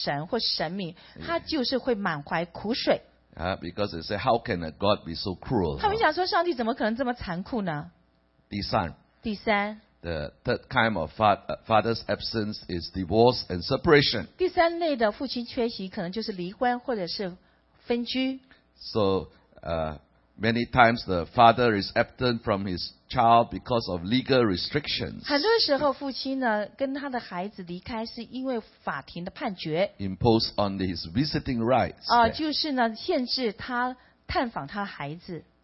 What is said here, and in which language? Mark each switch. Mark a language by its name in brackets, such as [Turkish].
[Chinese] 所以通常对上帝不管他脑海中是哪一种神或神明他就是会满怀苦水。 [English] Because they say, how can a God be so cruel? [Chinese] 他们想说上帝怎么可能这么残酷呢? 第三, [English] the third kind of father's absence is divorce and separation. [Chinese] 第三类的父亲缺席可能就是离婚或者是分居。 [English] So many times the father is absent from his child because of legal restrictions. [Chinese] 很多时候父亲呢跟他的孩子离开是因为法庭的判决。 [English] Imposed on his visiting rights. [Chinese] 就是呢限制他探访他孩子。